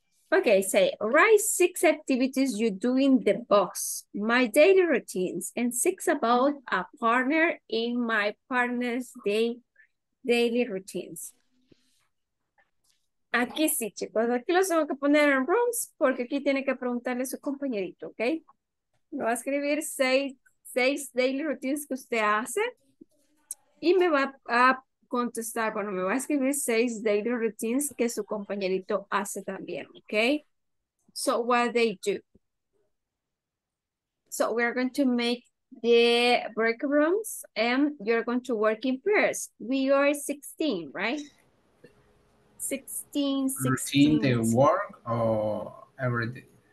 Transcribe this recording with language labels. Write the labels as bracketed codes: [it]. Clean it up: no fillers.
[en] Okay, say, write six activities you do in the box, my daily routines, and six about a partner in my partner's daily routines. [es] Aquí sí, chicos. Aquí los tengo que poner en rooms porque aquí tiene que preguntarle a su compañerito, okay? Lo va a escribir seis daily routines que usted hace y me va a contestar, bueno, me va a escribir seis daily routines que su compañerito hace también, okay? [en] So what they do? So we are going to make the break rooms and you're going to work in pairs. We are 16, right? 16. The work or every day?